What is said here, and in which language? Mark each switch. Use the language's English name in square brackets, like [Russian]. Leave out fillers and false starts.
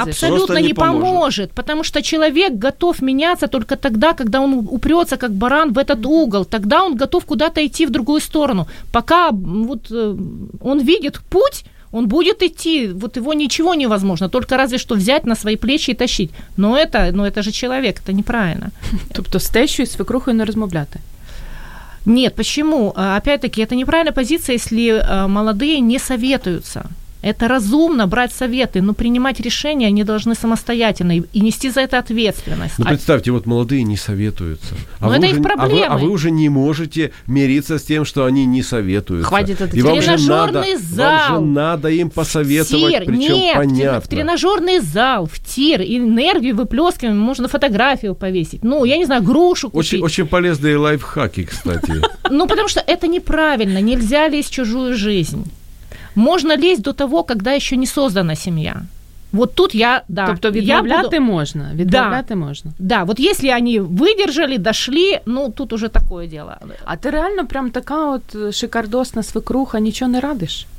[Russian] Абсолютно не поможет, потому что человек готов меняться только тогда, когда он упрется, как баран, в этот угол. Тогда он готов куда-то идти в другую сторону. Пока вот он видит путь, он будет идти, вот его ничего невозможно, только разве что взять на свои плечи и тащить. Но это, ну это же человек, это неправильно. [Ukrainian] Тобто з тещою і свекрухою не розмовляти? [Russian] Нет, почему? Опять-таки, это неправильная позиция, если молодые не советуются. Это разумно брать советы, но принимать решения они должны самостоятельно и нести за это ответственность. Ну, представьте, вот молодые не советуются. А но это уже, их проблемы. А вы уже не можете мириться с тем, что они не советуются. Хватит этот тренажерный зал. Вам же надо им посоветовать, в тир. Причем нет, понятно. В тренажерный зал, в тир, энергию выплескиваем, можно фотографию повесить. Ну, я не знаю, грушу купить. Очень, очень полезные лайфхаки, кстати. Ну, потому что это неправильно, нельзя лезть в чужую жизнь. Можно лезть до того, когда еще не создана семья. Вот тут я, да. [Ukrainian] Тобто відмовляти можна. Відмовляти можна. [Russian] Да, вот если они выдержали, дошли, ну, тут уже такое дело. [Ukrainian] А ти реально прям така от шикардосна свекруха, нічого не радиш?